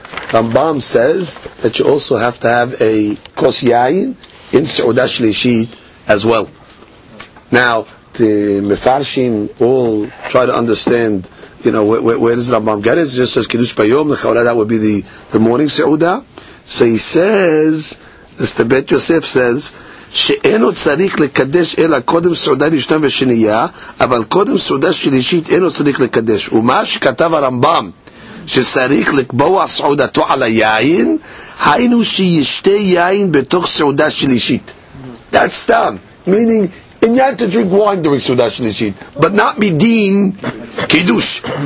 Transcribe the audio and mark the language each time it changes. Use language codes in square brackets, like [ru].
[en] Rambam says that you also have to have a kos yayin in Seudah Shlishit as well. Now, the Mefarshim all try to understand, you know, where does Rambam get it? It just says Kiddush Bayom, the Chaurah, that would be the morning Seudah. So he says, as the Bet Yosef says, [he] שאינו צריך לקדש אלא קודם סעודה ראשונה ושנייה, אבל קודם סעודה שלישית אינו צריך לקדש. ומה שכתב הרמב״ם, שצריך לקבוע סעודתו על היין, היינו שישתה יין בתוך סעודה שלישית. [en] That's them. Meaning, inyan to drink wine during Suda Shlishit, but not midin kiddush.